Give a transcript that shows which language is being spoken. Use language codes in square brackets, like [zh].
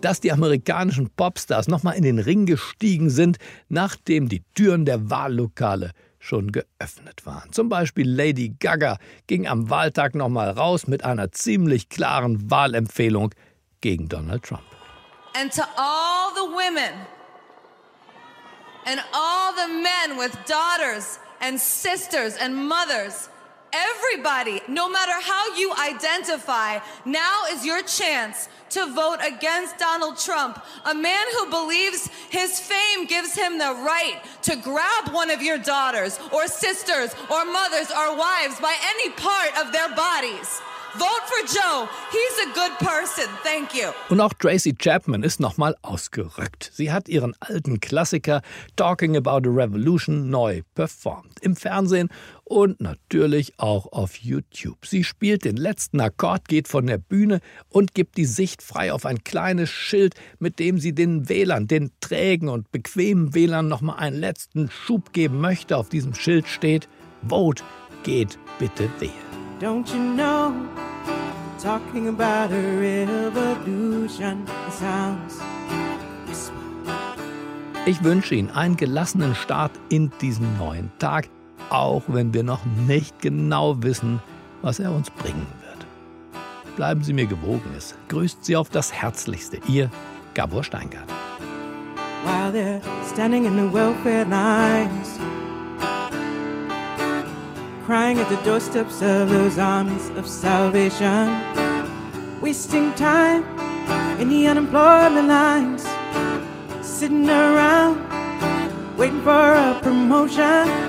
[de] Dass die amerikanischen Popstars nochmal in den Ring gestiegen sind, nachdem die Türen der Wahllokale schon geöffnet waren. Zum Beispiel Lady Gaga ging am Wahltag nochmal raus mit einer ziemlich klaren Wahlempfehlung gegen Donald Trump. [en] And to all the women and all the men with daughters and sisters and mothers, everybody, no matter how you identify, now is your chance to vote against Donald Trump, a man who believes his fame gives him the right to grab one of your daughters or sisters or mothers or wives by any part of their bodies. Vote for Joe. He's a good person. Thank you. [de] Und auch Tracy Chapman ist nochmal ausgerückt. Sie hat ihren alten Klassiker Talking About a Revolution neu performt. Im Fernsehen und natürlich auch auf YouTube. Sie spielt den letzten Akkord, geht von der Bühne und gibt die Sicht frei auf ein kleines Schild, mit dem sie den Wählern, den trägen und bequemen Wählern, nochmal einen letzten Schub geben möchte. Auf diesem Schild steht: Vote, geht bitte wählen. [en] Don't you know, talking about a revolution sounds whisper. [de] Ich wünsche Ihnen einen gelassenen Start in diesen neuen Tag, auch wenn wir noch nicht genau wissen, was er uns bringen wird. Bleiben Sie mir gewogen, es grüßt Sie auf das Herzlichste, Ihr Gabor Steingart. [en] While they're standing in the welfare lines, crying at the doorsteps of those armies of salvation, wasting time in the unemployment lines, sitting around waiting for a promotion.